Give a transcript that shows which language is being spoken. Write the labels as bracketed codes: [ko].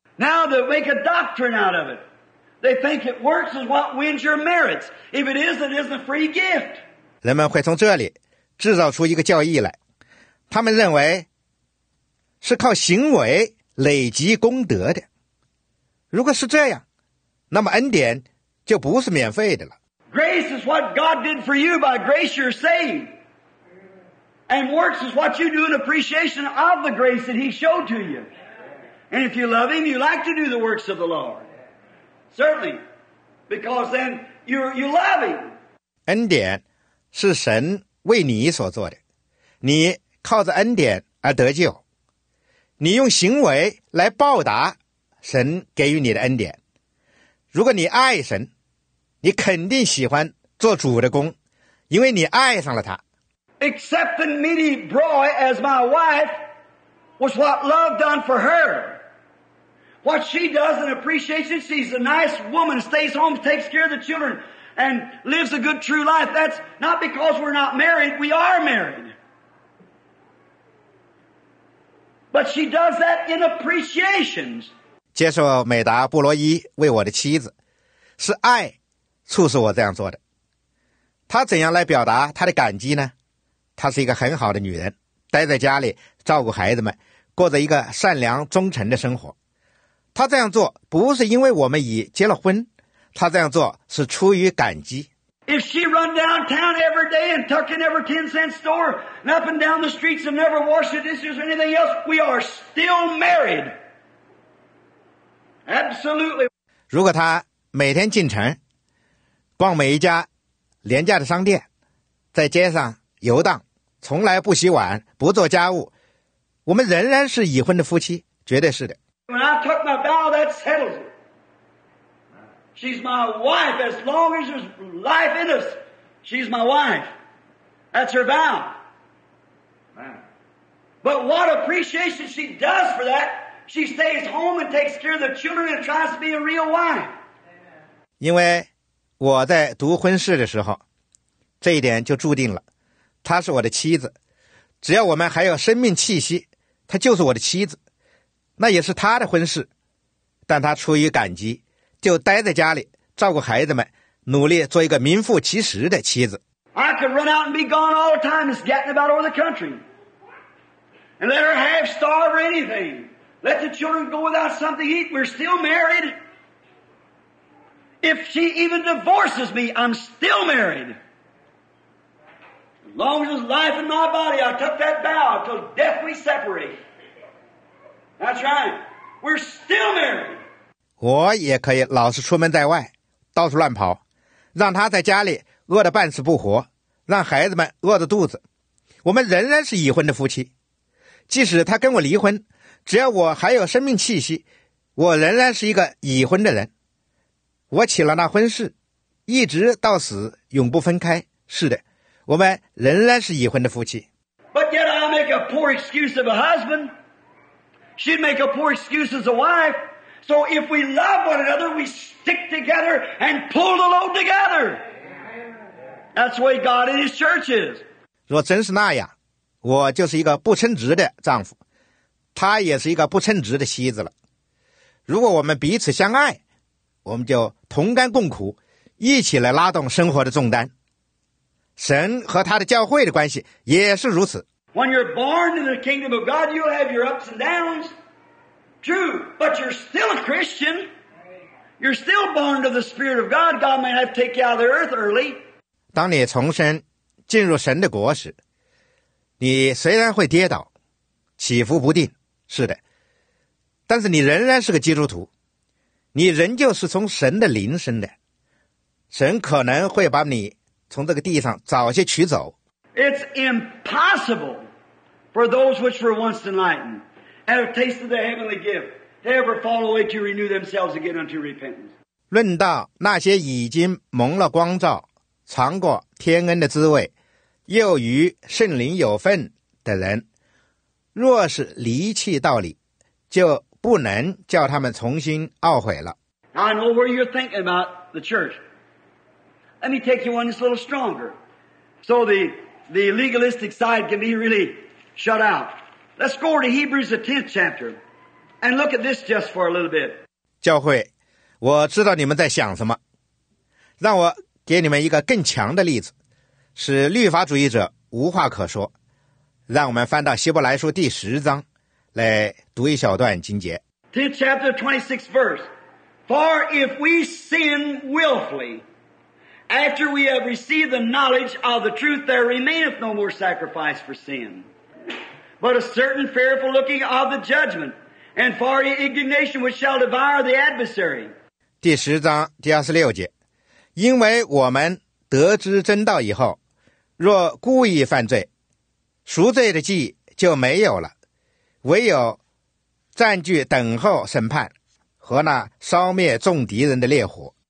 [en] Now they make a doctrine out of it. They think it works is what wins your merits. If it is, it is a free gift. [zh] 人们会从这里制造出一个教义来，他们认为是靠行为累积功德的。如果是这样，那么恩典就不是免费的了。 [en] Grace is what God did for you. By grace you're saved. And works is what you do in appreciation of the grace that he showed to you. And if you love him, you like to do the works of the Lord. Certainly. Because then you love him. [zh] 恩典是神为你所做的。你靠着恩典而得救。你用行为来报答神给予你的恩典。如果你爱神，你肯定喜欢做主的工，因为你爱上了他。 [en] Accepting Mittie Broy as my wife was what love done for her. What she does in appreciation, she's a nice woman, stays home, takes care of the children, and lives a good, true life. That's not because we're not married. We are married. But she does that in appreciations. [zh] 接受美达布罗伊为我的妻子，是爱促使我这样做的。她怎样来表达她的感激呢？她是一个很好的女人，待在家里照顾孩子们，过着一个善良忠诚的生活。她这样做不是因为我们已结了婚，她这样做是出于感激。 [en] If she run downtown every day and tuck in every 10-cent store and up and down the streets and never wash the dishes or anything else, we are still married. Absolutely. [zh] 如果她每天进城，逛每一家廉价的商店，在街上游荡，从来不洗碗，不做家务，我们仍然是已婚的夫妻，绝对是的。 [en] When I took my vow, that settles it. She's my wife as long as there's life in us. She's my wife. That's her vow. But what appreciation she does for that, she stays home and takes care of the children and tries to be a real wife. [zh] 因为我在读婚事的时候，这一点就注定了，她是我的妻子，只要我们还有生命气息，她就是我的妻子，那也是她的婚事。但她出于感激，就待在家里照顾孩子们，努力做一个名副其实的妻子。 [en] I could run out and be gone all the time, just getting about over the country, and let her half starve or anything. Let the children go without something to eat. We're still married. If she even divorces me, I'm still married. As long as there's life in my body, I took that vow till death we separate. That's right. We're still married. [zh] 我也可以老是出门在外，到处乱跑，让她在家里饿得半死不活。让孩子们饿着肚子，我们仍然是已婚的夫妻。即使他跟我离婚，只要我还有生命气息，我仍然是一个已婚的人。我起了那婚事，一直到死永不分开。是的，我们仍然是已婚的夫妻。 [en] But yet I make a poor excuse of a husband. She'd make a poor excuse as a wife. So if we love one another, we stick together and pull the load together. That's the way God in His church is. [zh] 若真是那样，我就是一个不称职的丈夫，她也是一个不称职的妻子了。如果我们彼此相爱，我们就同甘共苦，一起来拉动生活的重担。神和他的教会的关系也是如此。 [en] When you're born in the kingdom of God, you'll have your ups and downs. True, but you're still a Christian. You're still born to the Spirit of God. God may have to take you out of the earth early. [zh] 当你重生进入神的国时，你虽然会跌倒起伏不定，是的，但是你仍然是个基督徒，你仍旧是从神的灵生的，神可能会把你从这个地上早些取走。 [en] It's impossible for those which were once enlightened and have tasted the heavenly gift to ever fall away to renew themselves again unto repentance. [zh] 论到那些已经蒙了光照尝过天恩的滋味，又与圣灵有份的人，若是离弃道理，就不能叫他们重新懊悔了。 [en] I know where you're thinking about the church. Let me take you one that's a little stronger, so the legalistic side can be really shut out. Let's go over to Hebrews the 10th chapter and look at this just for a little bit. [zh] 教会，我知道你们在想什么，让我。给你们一个更强的例子，使律法主义者无话可说。让我们翻到希伯来书第十章，来读一小段经节。 [en] 10 chapter 26 verse. For if we sin willfully, after we have received the knowledge of the truth, there remaineth no more sacrifice for sin, but a certain fearful looking of the judgment, and for indignation which shall devour the adversary. [zh] 第十章第二十六节。因为我们得知真道以后，若故意犯罪，赎罪的祭就没有了，唯有占据等候审判和那烧灭众敌人的烈火。